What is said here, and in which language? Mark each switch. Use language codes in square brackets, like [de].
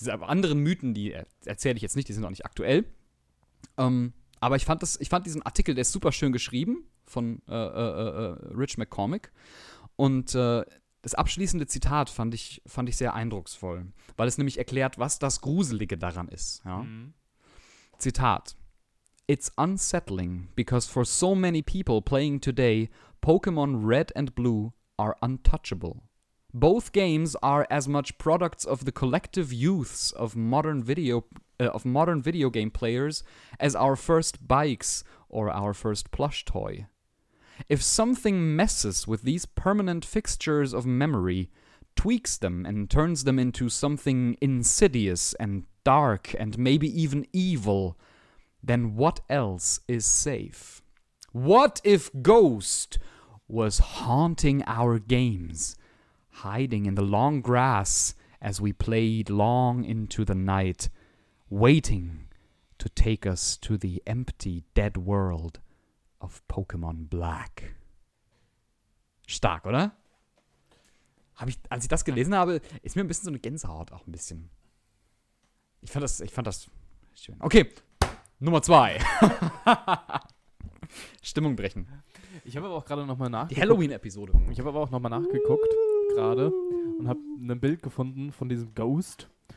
[de] Diese anderen Mythen, die erzähle ich jetzt nicht, die sind auch nicht aktuell. Aber ich fand diesen Artikel, der ist super schön geschrieben von Rich McCormick. Und das abschließende Zitat fand ich sehr eindrucksvoll, weil es nämlich erklärt, was das Gruselige daran ist. Ja? Mhm. Zitat. [en] It's unsettling because for so many people playing today, Pokémon Red and Blue are untouchable. Both games are as much products of the collective youths of modern video game players as our first bikes or our first plush toy. If something messes with these permanent fixtures of memory, tweaks them and turns them into something insidious and dark and maybe even evil, then what else is safe? What if Ghost was haunting our games, hiding in the long grass as we played long into the night, waiting to take us to the empty, dead world of Pokémon Black? [de] Stark, oder? Als ich das gelesen habe, ist mir ein bisschen so eine Gänsehaut auch ein bisschen. Ich fand das schön. Okay. Nummer 2. Stimmung brechen. Ich habe aber auch gerade nochmal nachgeguckt. Die Halloween-Episode. Ich habe aber auch nochmal nachgeguckt gerade und habe ein Bild gefunden von diesem Ghost.